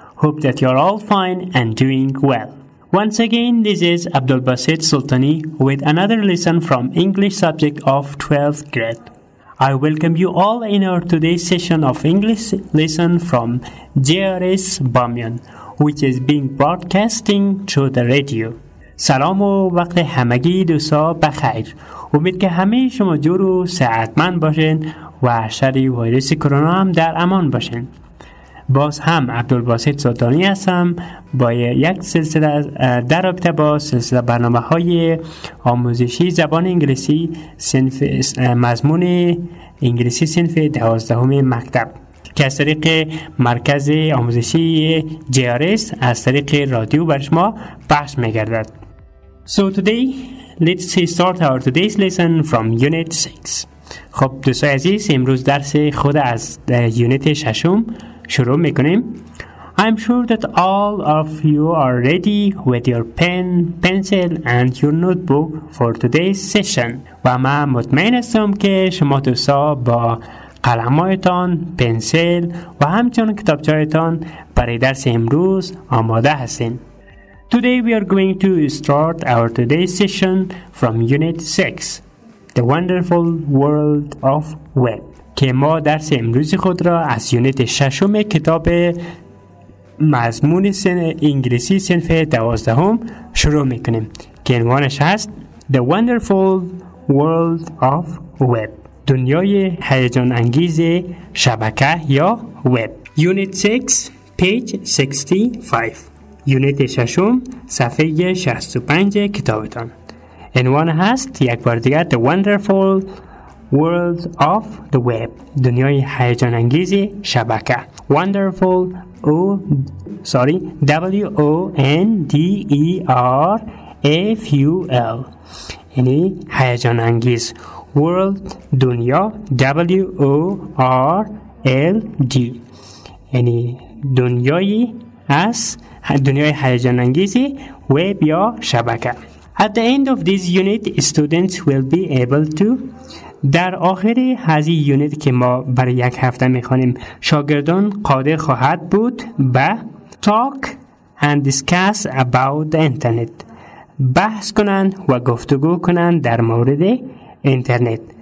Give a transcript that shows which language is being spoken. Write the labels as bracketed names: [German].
[English] Hope that you're all fine and doing well. Once again, this is Abdul Baset Sultani with another lesson from English subject of 12th grade. I welcome you all in our today's session of English lesson from JRS Bamyan, which is being broadcasting through the radio. [Persian] سلام و وقت همگی دوستا بخیر. امید که همه شما جور و صحتمند باشین و شر ویروس کرونا هم در امان باشین. باز هم عبدالباسط سلطانی هستم با یک سلسله در رابطه با سلسله برنامه های آموزشی زبان انگلیسی صنف مضمون انگلیسی صنف 12 مکتب که از طریق مرکز آموزشی JRS از طریق رادیو بر شما پخش می‌گردد. [English] So today, let's start our today's lesson from Unit 6. [Persian] خب دوستای عزیز، امروز درس خود از یونیت ششم شروع میکنیم. [English] I'm sure that all of you are ready with your pen, pencil and your notebook for today's session. [Persian] و من مطمئن هستم که شما دوستا با قلمهایتان، پنسل و همچنان کتابچه‌هایتان برای درس امروز آماده هستین. [English] Today we are going to start our today's session from Unit 6, The Wonderful World of Web. [Persian] که ما درس امروز خود را از یونیت ششم کتاب مضمون انگلیسی صنف 12 شروع میکنیم که عنوانش هست The Wonderful World of Web. دنیای هیجان انگیز شبکه یا وب. [English] Unit 6, page 65. [Persian] یونیت ششم صفحه 65 کتابتان. عنوان هست یک بار دیگر The Wonderful World of the Web. دنیای هیجان انگیز شبکه. Wonderful WONDERFUL. یعنی هیجان انگیز. World دنیا WORLD. یعنی دنیایی از دنیای هیجان انگیزی وب یا شبکه. [English] At the end of this unit, students will be able to. [Persian] در آخر هزی یونیت که ما برای یک هفته میخوانیم، شاگردان قادر خواهد بود به [English] talk and discuss about the internet. [Persian] بحث کنند و گفتگو کنند در مورد اینترنت.